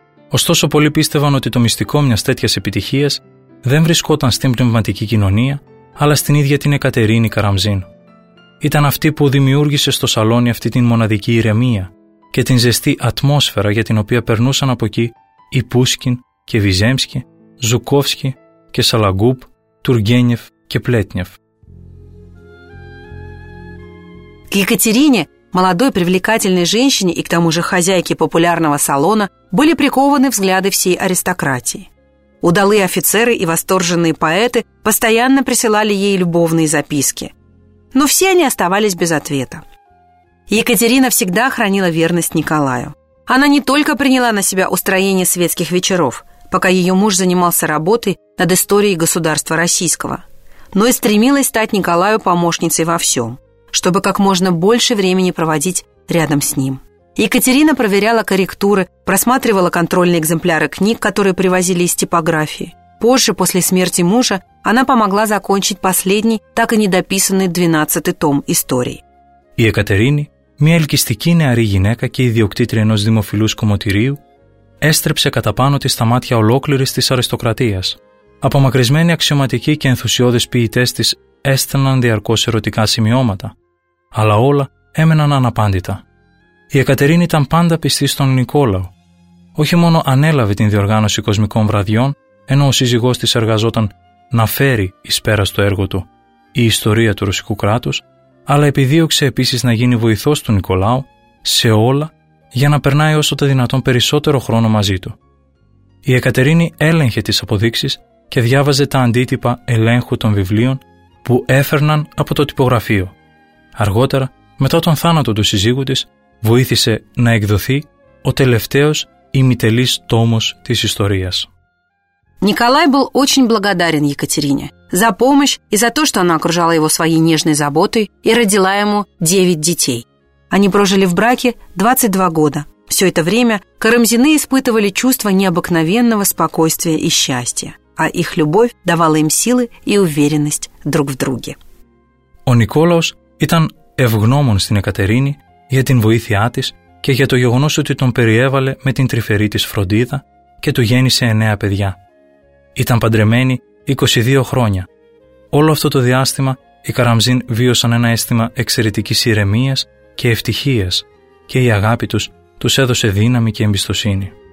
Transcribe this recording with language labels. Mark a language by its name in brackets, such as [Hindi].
[Greek] Ωστόσο, πολλοί πίστευαν ότι το μυστικό μιας τέτοιας επιτυχίας δεν βρισκόταν στην πνευματική κοινωνία, αλλά στην ίδια την Εκατερίνη Καραμζίν. Ήταν αυτή που δημιούργησε στο σαλόνι αυτή την μοναδική ηρεμία και την ζεστή ατμόσφαιρα για την οποία περνούσαν από εκεί οι Πούσκιν και Βιζέμσκι, Ζουκόφσκι και Σαλαγκούπ, Τουργένιεφ και Πλέτνιεφ. [Russian] К Екатерине, молодой привлекательной женщине и к тому же хозяйке популярного салона, были прикованы взгляды всей аристократии. Удалые офицеры и восторженные поэты постоянно присылали ей любовные записки. Но все они оставались без ответа. Екатерина всегда хранила верность Николаю. Она не только приняла на себя устроение светских вечеров, пока ее муж занимался работой над историей государства российского, но и стремилась стать Николаю помощницей во всем, чтобы как можно больше времени проводить рядом с ним. Екатерина проверяла корректуры, просматривала контрольные экземпляры книг, которые привозили из типографии. Позже, после смерти мужа, она помогла закончить последний, так и недописанный 12-й том истории. [Greek] Η Екатерина, μια ελκυστική νεαρή γυναίκα και ιδιοκτήτρια ενός δημοφιλούς κομμωτηρίου, έστρεψε κατά πάνω της στα μάτια ολόκληρης της αριστοκρατίας. Απομακρυσμένοι αξιωματικοί και ενθουσιώδεις ποιητές της έστελναν διαρκώς ερωτικά σημειώματα, αλλά όλα έμεναν αναπάντητα. Η Εκατερίνη ήταν πάντα πιστή στον Νικόλαο. Όχι μόνο ανέλαβε την διοργάνωση κοσμικών βραδιών, ενώ ο σύζυγός της εργαζόταν να φέρει εις πέρας το έργο του η ιστορία του ρωσικού κράτους, αλλά επιδίωξε επίσης να γίνει βοηθός του Νικολάου σε όλα για να περνάει όσο το δυνατόν περισσότερο χρόνο μαζί του. Η Εκατερίνη έλεγχε τις αποδείξεις και διάβαζε τα αντίτυπα ελέγχου των βιβλίων που έφερναν από το τυπογραφείο. Αργότερα, μετά τον θάνατο του σύζυγου της, βοήθησε να εκδοθεί ο τελευταίος ημιτελής τόμος της ιστορίας. [Russian] Николай был очень благодарен Екатерине за помощь и за то, что она окружала его своей нежной заботой и родила ему 9 детей. Они прожили в браке 22 года. Все это время Карамзины испытывали чувство необыкновенного спокойствия и счастья, а их любовь давала им силы и уверенность друг в друге. [Greek] Ο Νικόλαος ήταν ευγνώμων στην Εκατερίνη για την βοήθειά της και για το γεγονός ότι τον περιέβαλε με την τρυφερή της φροντίδα και του γέννησε 9 παιδιά. Ήταν παντρεμένοι 22 χρόνια. Όλο αυτό το διάστημα οι Καραμζίν βίωσαν ένα αίσθημα εξαιρετικής ηρεμίας και ευτυχίας και η αγάπη τους τους έδωσε δύναμη και εμπιστοσύνη.